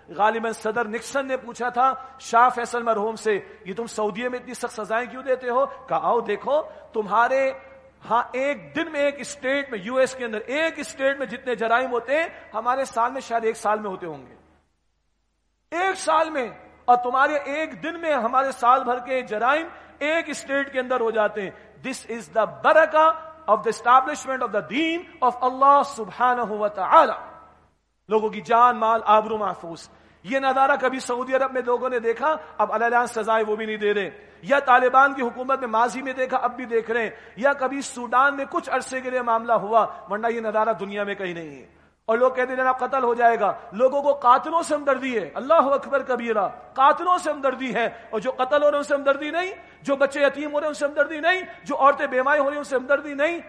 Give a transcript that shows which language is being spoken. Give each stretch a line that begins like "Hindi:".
Urdu: غالباً صدر نکسن نے پوچھا تھا شاہ فیصل مرحوم سے, یہ تم سعودیہ میں اتنی سخت سزائیں کیوں دیتے ہو؟ کہا آؤ دیکھو تمہارے ہاں ایک دن میں ایک اسٹیٹ میں, یو ایس کے اندر ایک اسٹیٹ میں جتنے جرائم ہوتے ہیں ہمارے سال میں شاید ایک سال میں ہوتے ہوں گے, ایک سال میں, اور تمہارے ایک دن میں ہمارے سال بھر کے جرائم ایک اسٹیٹ کے اندر ہو جاتے ہیں.
English: This is the barakah of the establishment of the deen of Allah subhanahu wa ta'ala.
Urdu: لوگوں کی جان مال آبرو محفوظ. یہ نظارہ کبھی سعودی عرب میں لوگوں نے دیکھا؟ اب الان سزائیں وہ بھی نہیں دے رہے. یا طالبان کی حکومت میں ماضی میں دیکھا؟ اب بھی دیکھ رہے ہیں. یا کبھی سوڈان میں کچھ عرصے کے لیے معاملہ ہوا؟ ورنہ یہ نظارہ دنیا میں کہیں نہیں ہے. اور لوگ کہتے ہیں جناب قتل ہو جائے گا, لوگوں کو قاتلوں سے ہمدردی ہے, اللہ اکبر کبیرہ, قاتلوں سے ہمدردی ہے, اور جو قتل ہو رہے ہیں ان سے ہمدردی نہیں, جو بچے یتیم ہو رہے ہیں ان سے ہمدردی نہیں, جو عورتیں بیمائیں ہو رہی ہیں ان سے ہمدردی نہیں.